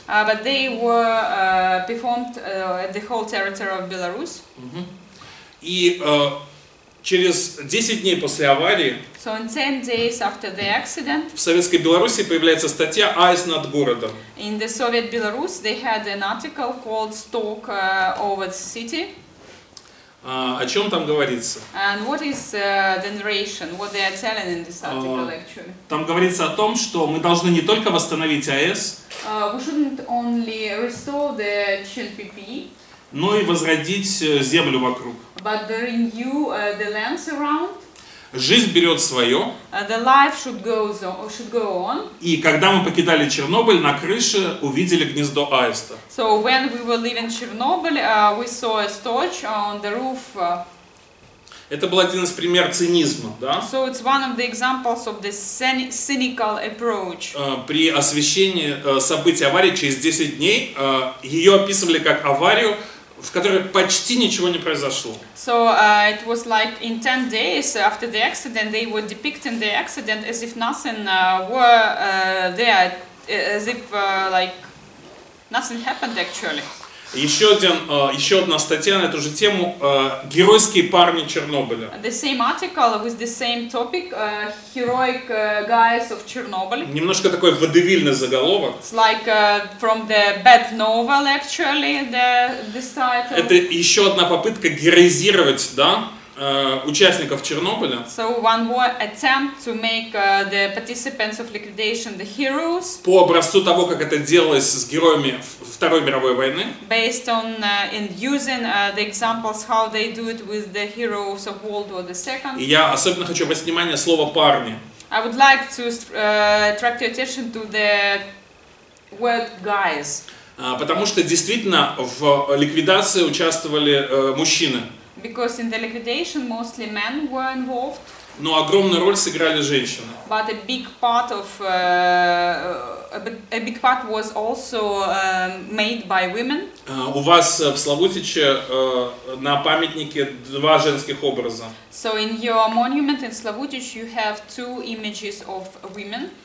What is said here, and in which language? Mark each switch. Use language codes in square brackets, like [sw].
[en] But they were performed at the whole territory of Belarus. [ru] И Через 10 дней после аварии [en] so in 10 days after the accident, [ru] в Советской Беларуси появляется статья «Айс над городом». [en] In the Soviet Belarus they had an article called «Stalk over the city». [ru] О чем там говорится? [en] And what is the narration? What they are telling in this article actually? [ru] Там говорится о том, что мы должны не только восстановить АЭС, [en] we shouldn't only restore the ЧЛПП, [ru] но и возродить землю вокруг. [en] But the renew the lands around. [ru] Жизнь берет свое. [en] The life should go on, should go on. [ru] И когда мы покидали Чернобыль, на крыше увидели гнездо аиста. [en] So when we were leaving Chernobyl, we saw a storch on the roof. [ru] Это был один из примеров цинизма, да? [en] So it's one of the examples of the cynical approach. [ru] При освещении событий аварии через 10 дней ее описывали как аварию, в которой почти ничего не произошло. [en] So it was like in 10 days after the accident they were depicting the accident as if nothing were there, as if like nothing happened actually. [ru] Еще одна статья на эту же тему «Геройские парни Чернобыля». [en] The same article with the same topic «Heroic guys of Chernobyl». [ru] Немножко такой водевильный заголовок. [en] It's like from the bad novel actually, this title. [ru] Это еще одна попытка героизировать, да, участников Чернобыля. [en] So one more attempt to make the participants of liquidation the heroes. [ru] По образцу того, как это делалось с героями Второй мировой войны. [en] Based on and using the examples how they do it with the heroes of World War the Second. [ru] И я особенно хочу обратить внимание слово парни. [en] I would like to attract your attention to the word guys. [ru] Потому что действительно в ликвидации участвовали мужчины. [en] Because in the liquidation mostly men were involved. [ru] Но огромную роль сыграли женщины. [en] But a big part of a big part was also made by women. [ru] У вас в Славутиче на памятнике два женских образа. [en] So in your monument in Славутич you have two images of women.